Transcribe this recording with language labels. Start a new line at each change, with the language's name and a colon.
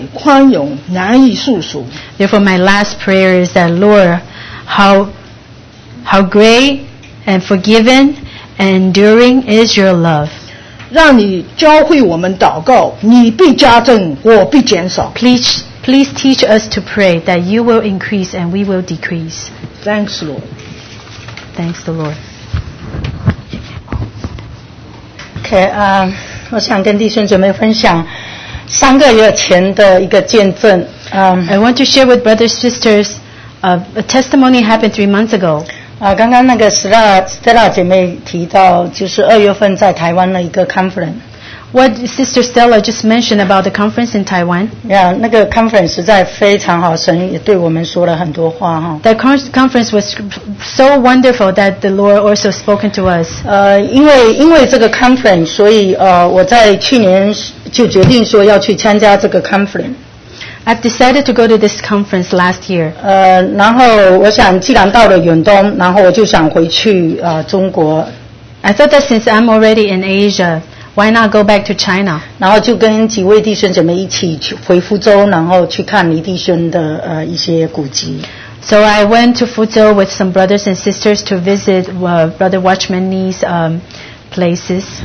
Chinese: 那么最后一个祷告，主啊，你的爱是何等忍耐、宽容、难以诉说。
English: Therefore, my last prayer is that, Lord, how great and forgiving and enduring is Your love.
Chinese: 让你教会我们祷告，你必加增，我必减少。
English: Please teach us to pray that You will increase and we will decrease. Thanks, Lord. Thanks, the Lord.
Chinese: Okay, 我想跟弟兄姊妹分享三个月前的一个见证。
English: I want to share with brothers and sisters a testimony happened 3 months ago.
Chinese: 刚刚那个 Stella 姐妹提到就是二月份在台湾的一个 conference。
English: What Sister Stella just mentioned about the conference in Taiwan?
Chinese: Yeah, 那个 conference 实在非常好，神也对我们说了很多话哈。
English: That conference was so wonderful that the Lord also spoken to us.
Chinese: 因为这个 conference, 所以我在去年就决定说要去参加这个 conference.
English: I've decided to go to this conference last year.
Chinese: 然后我想，既然到了远东，然后我就想回去中国。
English: I thought that since I'm already in Asia. Why not go back to China?
Chinese: 然后就跟几位弟兄姊妹一起回福州，然后去看黎弟兄的一些古籍。
English: So I went to Fuzhou with some brothers and sisters to visit Brother Watchman Nee's places.